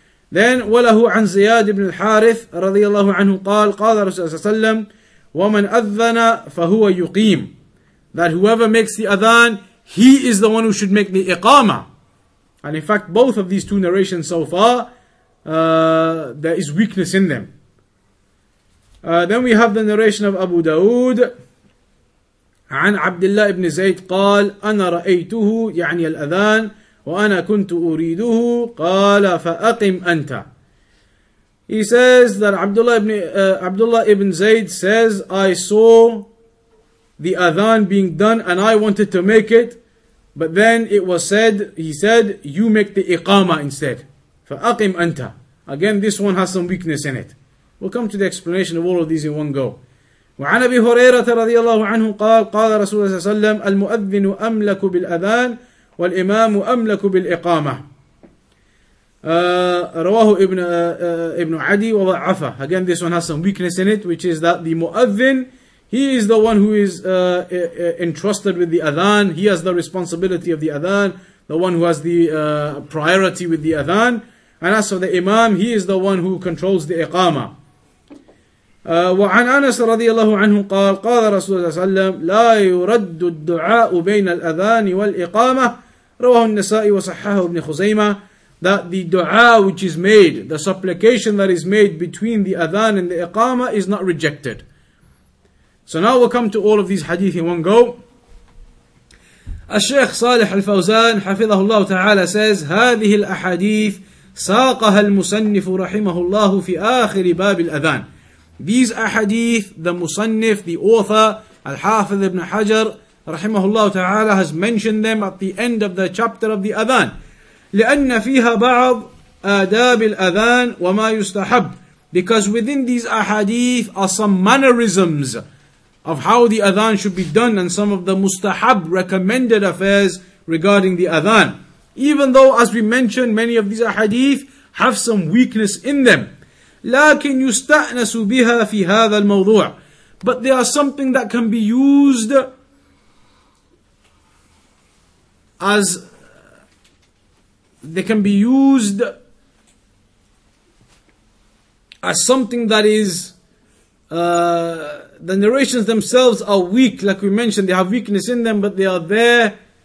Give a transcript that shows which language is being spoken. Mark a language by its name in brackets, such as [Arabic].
[Arabic] Then, وَلَهُ عَنْ زِيَادِ بْنِ الْحَارِثِ رَضِيَ اللَّهُ عَنْهُ قَالَ رَسُولُ اللَّهِ صَلَّى اللَّهُ عَلَيْهِ وَسَلَّمَ وَمَنْ أَذَّنَ فَهُوَ يُقِيم. [English] That whoever makes the adhan, he is the one who should make the iqama. And in fact, both of these two narrations so far, there is weakness in them. Then we have the narration of Abu Dawood. [Arabic] عن عبد الله بن زيد قال أنا رأيته يعني الأذان وأنا كنت أريده قال فأقم أنت. [English] He says that Abdullah ibn Zayd says, I saw the adhan being done and I wanted to make it, but then it was said, he said, you make the iqama instead. [Arabic] فأقم أنت. [English] Again, this one has some weakness in it. We'll come to the explanation of all of these in one go. [Arabic] وعن أبي هريرة رضي الله عنه قال قال رسول الله صلى الله عليه وسلم المؤذن أملك بالأذان والإمام أملك بالإقامة. رواه ابن عدي وضعفة. [English] Again, this one has some weakness in it, which is that the مؤذن, he is the one who is entrusted with the adhan. He has the responsibility of the adhan, the one who has the priority with the adhan. And as for the imam, he is the one who controls the iqama. [Arabic] وعن أنس رضي الله عنه قال قال رسول الله صلى الله عليه وسلم لا يرد الدعاء بين الأذان والإقامة. رواه النسائي وصححه ابن خزيمة. [English] That the dua which is made, the supplication that is made between the adhan and the iqama, is not rejected. So now we'll come to all of these hadith in one go. [Arabic] الشيخ صالح الفوزان حفظه الله تعالى says هذه الأحاديث ساقها المصنف رحمه الله في آخر باب الأذان. [English] These ahadith, the musannif, the author, Al-Hafidh ibn Hajar, rahimahullah ta'ala, has mentioned them at the end of the chapter of the adhan. [Arabic] لِأَنَّ فِيهَا بَعَضْ آدَابِ الْأَذَانِ وَمَا يُسْتَحَبْ. [English] Because within these ahadith are some mannerisms of how the adhan should be done and some of the mustahab, recommended affairs regarding the adhan. Even though, as we mentioned, many of these ahadith have some weakness in them. [Arabic] لكن يستأنس بها في هذا الموضوع. [English] But they are something that can be used as, they can be used as something that is, the narrations themselves are weak, like we mentioned, they have weakness in them, but they are there.